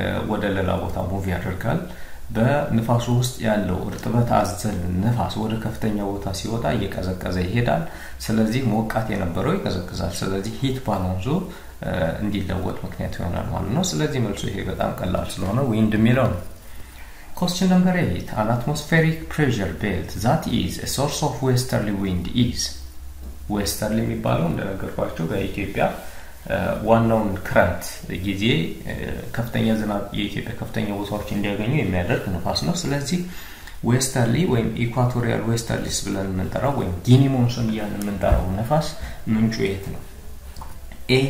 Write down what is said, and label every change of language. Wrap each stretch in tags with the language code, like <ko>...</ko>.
<am>ወደ ሌላ ቦታ ሙቭ ያደርጋል። በንፋሱ ውስጥ ያለው እርጥበት አዘል ንፋስ ወደ ከፍተኛ ቦታ ሲወጣ እየቀዘቀዘ ይሄዳል። ስለዚህ ሞቃት የነበረው ይቀዘቅዛል። ስለዚህ ሂት ባላንሱ እንዲለወጥ ምክንያት ይሆናል ማለት ነው። ስለዚህ መልሱ ይሄ በጣም ቀላል ስለሆነ ዊንድ የሚለው ነው።</am> <en>Question number 8. An atmospheric pressure belt that is a source of westerly wind is?</en> <am>Westerly የሚባለው እንደነገርኳችሁ በኢትዮጵያ ዋናውን ክረምት ጊዜ ከፍተኛ ዝናብ የኢትዮጵያ ከፍተኛ ቦታዎች እንዲያገኙ የሚያደርግ ንፋስ ነው። ስለዚህ westerly ወይም equatorial westerlies ብለን የምንጠራው ወይም ጊኒ ሞንሱን እያልን የምንጠራው ንፋስ ምንጩ የት ነው? A.</am>